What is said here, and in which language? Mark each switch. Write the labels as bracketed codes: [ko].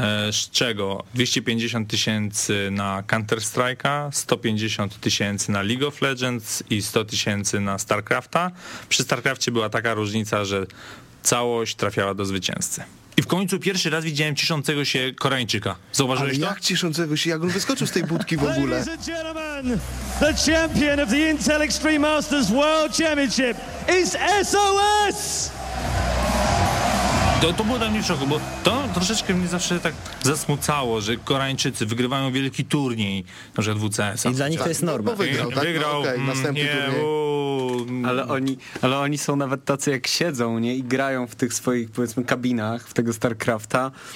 [pl] Z czego 250 tysięcy na Counter-Strike'a, 150 tysięcy na League of Legends i 100 tysięcy na StarCraft'a. Przy StarCraft'cie była taka różnica, że całość trafiała do zwycięzcy. I w końcu pierwszy raz widziałem ciszącego się Koreańczyka. Zauważyłeś to? Jak ciszącego się? Jak on wyskoczył z tej budki w ogóle? [en] Ladies and gentlemen, the champion of the Intel Extreme Masters World Championship is SOS! [pl] To było dla mnie w szoku, bo to troszeczkę mnie zawsze tak zasmucało, że Koreańczycy wygrywają wielki turniej, na przykład WCS. I dla nich to jest norma. Wygrał, następny turniej. Ale oni są nawet tacy, jak siedzą, nie? I grają w tych swoich, powiedzmy, kabinach, w tego StarCrafta.